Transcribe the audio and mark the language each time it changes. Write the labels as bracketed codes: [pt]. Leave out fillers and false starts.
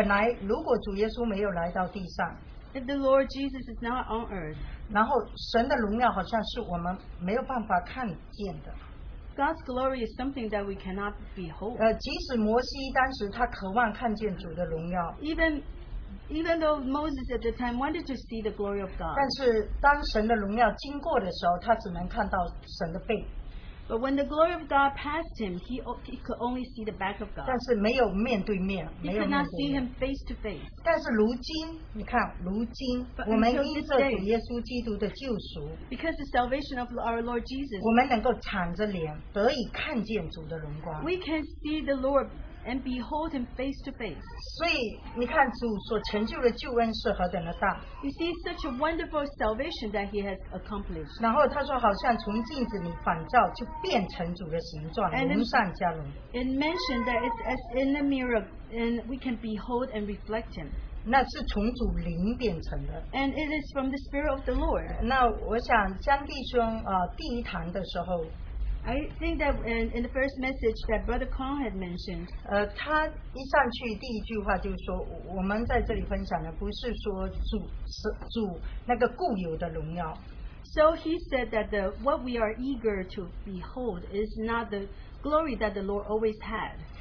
[zh] 就像神本来如果主耶稣没有来到地上, [en] if the Lord Jesus is not on earth, [zh] 然后神的荣耀好像是我们没有办法看见的。 [en] God's glory is something that we cannot behold. [zh] 即使摩西当时他渴望看见主的荣耀, [en] even though Moses at the time wanted to see the glory of God, [zh] 但是当神的荣耀经过的时候, 他只能看到神的背。 [en] But when the glory of God passed him, he could only see the back of God. [zh] 但是没有面对面, [en] he could not see him face to face. [zh] 但是如今, 我们因着主耶稣基督的救赎, [en] because the salvation of our Lord Jesus, [zh] 我们能够敞着脸得以看见主的荣光, [en] we can see the Lord and behold him face to face. [zh] 所以你看主所成就的救恩是何等的大, [en] you see such a wonderful salvation that he has accomplished. [zh] 然后他说好像从镜子里反照就变成主的形状, and 荣上加荣, [en] it mentioned that it's as in a mirror and we can behold and reflect him. [zh] 那是从主灵变成的, [en] and it is from the Spirit of the Lord. [zh] 那我想江弟兄, 第一堂的时候, [en] I think that in the first message that Brother Kong had mentioned, [zh] 他一上去第一句话就说, 我们在这里分享的不是说主那个固有的荣耀。 [en] So he said that what we are eager to behold is not the glory that the Lord always had,